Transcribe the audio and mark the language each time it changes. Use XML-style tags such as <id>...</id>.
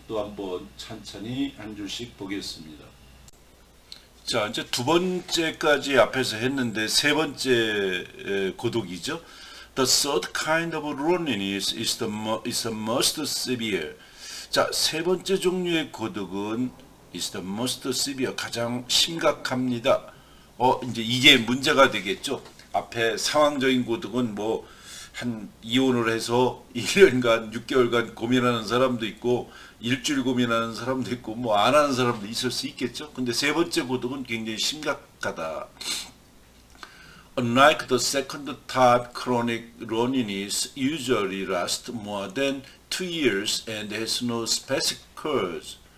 <ko>또 한번 천천히 한 줄씩 보겠습니다. 자, 이제 두 번째까지 앞에서 했는데 세 번째 고독이죠?</ko> <en>The third kind of loneliness is the most severe.</en> <ko>자, 세 번째 종류의 고독은</ko> <en>is the most severe,</en> <ko>가장 심각합니다. 이제 이게 문제가 되겠죠. 앞에 상황적인 고독은 뭐 한 이혼을 해서 1년간, 6개월간 고민하는 사람도 있고 일주일 고민하는 사람도 있고 뭐 안 하는 사람도 있을 수 있겠죠. 근데 세 번째 고독은 굉장히 심각하다.</ko> <en>Unlike the second type, chronic loneliness usually lasts more than 2 years and has no specific cause.</en>